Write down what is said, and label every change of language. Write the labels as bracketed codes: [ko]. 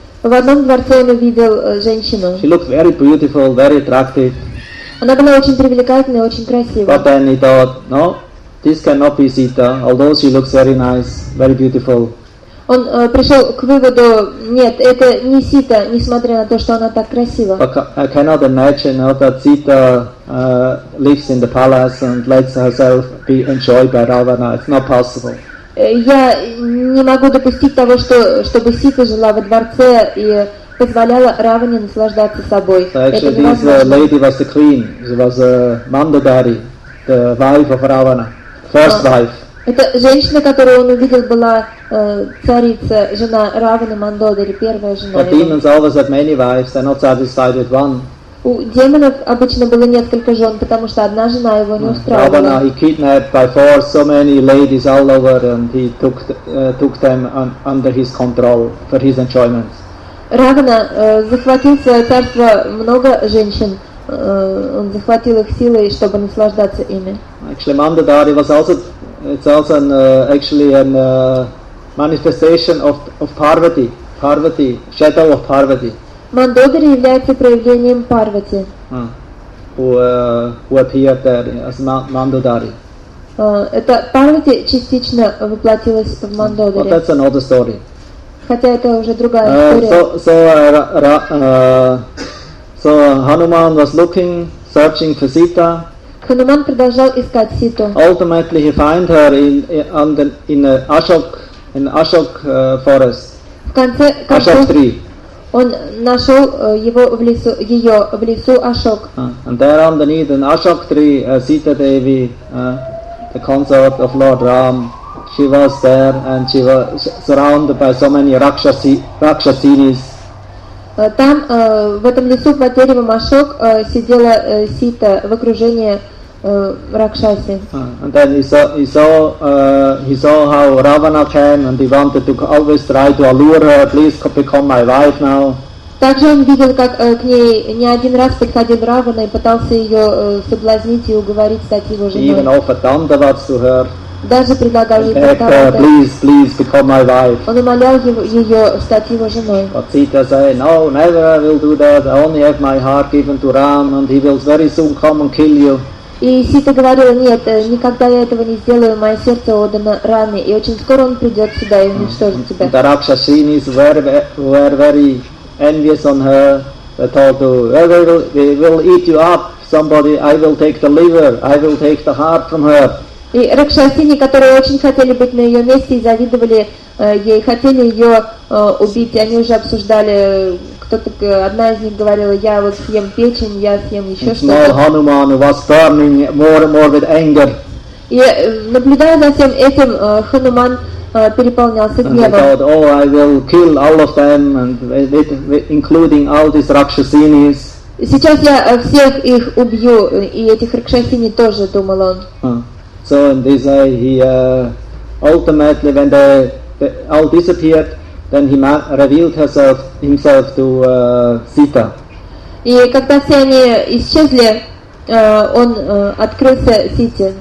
[ru] В одном дворце он увидел женщину. [en] She looked very beautiful, very attractive. [ru] Она была очень привлекательной, очень красивой. [en] But then he thought, no, this cannot be Sita, although she looks very nice, very beautiful. [ru] Он пришел к выводу, нет, это не Сита, несмотря на то, что она так красива. [en] But I cannot imagine how that Sita lives in the palace and lets herself be enjoyed by Ravana. It's not possible. [ru] Я не могу допустить того, чтобы Сита жила во дворце и позволяла Раване наслаждаться собой. [en] So actually, this lady was the queen. She was a Mandodari, the wife of Ravana, first wife. [ru] Эта женщина, которую он увидел, была царица, жена Равана Мандодари, первая жена. [en] But demons always had many wives. They're not satisfied with one. [ru] У демонов обычно было несколько жен, потому что одна жена его не устраивала. [en] Ravana, he kidnapped by force so many ladies all over, and he took took them under his control for his enjoyment. [ru] Равана захватил свое царство много женщин. Он захватил их силой, чтобы наслаждаться ими. [en] Actually, Mandodari was also it's also a manifestation of Parvati. Parvati, shadow of Parvati. [ru] Mandodari является проявлением Парвати. [en] Who appeared there as Mandodari. [ru] Это Парвати частично воплотилась в Мандодари. [en] But that's another story. [ru] Хотя это уже другая история. [en] So Hanuman was looking, searching for Sita. [ru] Hanuman продолжал искать Ситу. [en] Ultimately, he found her in Ashok forest. [ru] В конце [en] Ashok tree. [ru] Он нашел его в лесу, ее в лесу Ашок. [en] And there underneath an Ashok tree, Sita Devi, the consort of Lord Ram, she was there and she was surrounded by so many Rakshasinis. [ru] Там, в этом лесу, под деревом Ашок, сидела Сита в окружении Ракшаси. [en] And then he saw how Ravana came, and he wanted to always try to allure her, please become my wife now. [ru] Также он видел, как к ней не один раз приходил Равана и пытался ее соблазнить и уговорить стать его женой. [en] He even offered dandavats to her. [ru] Даже предлагал ей [en] дандаваты. Please become my wife. [ru] Он умолял ее стать его женой. [en] But Sita said, no, never I will do that. I only have my heart given to Ram, and he will very soon come and kill you. [ru] И Сита говорила, нет, никогда я этого не сделаю. Мое сердце отдано Раме, и очень скоро он придет сюда и уничтожит тебя. [en] The Rakshasinis were very envious on her. They told her, they will eat you up. Somebody, I will take the liver. I will take the heart from her. [ru] И Ракшасини, которые очень хотели быть на ее месте и завидовали ей, хотели ее убить. Они уже обсуждали, одна из них говорила, я вот съем печень, я съем еще что-то. [en] Small Hanuman was burning more and more with anger. [ru] И наблюдая за всем этим, Хануман переполнялся гневом. [en] And he thought, oh, I will kill all of them, and including all these Rakshasinis. [ru] Сейчас я всех их убью, и этих Ракшасини тоже, думал он. [en] So in this way, he ultimately, when they all disappeared, revealed himself to Sita. [ru] И когда все они исчезли, он открылся Сите.